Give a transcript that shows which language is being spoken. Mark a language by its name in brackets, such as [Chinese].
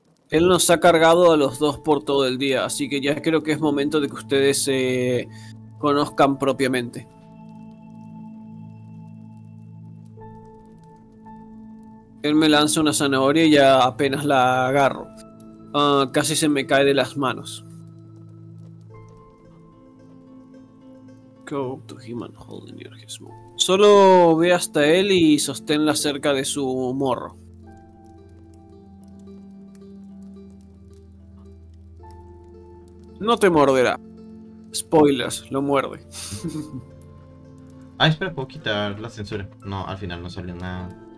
[Spanish] Él nos ha cargado a los dos por todo el día, así que ya creo que es momento de que ustedes se conozcan propiamente. Él me lanza una zanahoria y ya apenas la agarro. Casi se me cae de las manos. [English] Go to him and hold in your hand. [Spanish] Solo ve hasta él y sosténla cerca de su morro. No te morderá. Spoilers, lo muerde. Ah, espera, ¿puedo quitar la censura? No, al final no salió nada.